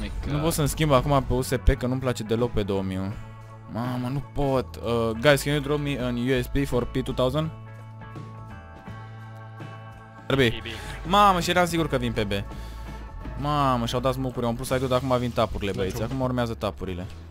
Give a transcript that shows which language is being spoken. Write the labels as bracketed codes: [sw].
[ro] Nu pot să-mi schimb acum pe USP, că nu-mi place deloc pe 2000. Mamă, nu pot. [en] Guys, can you drop me an USB for P2000? RB. [ro] Mamă, și eram sigur că vin pe B. Mamă, și-au dat smoke-uri, am plus side-ul, dar acum vin tapurile, băieți. Acum urmează tapurile.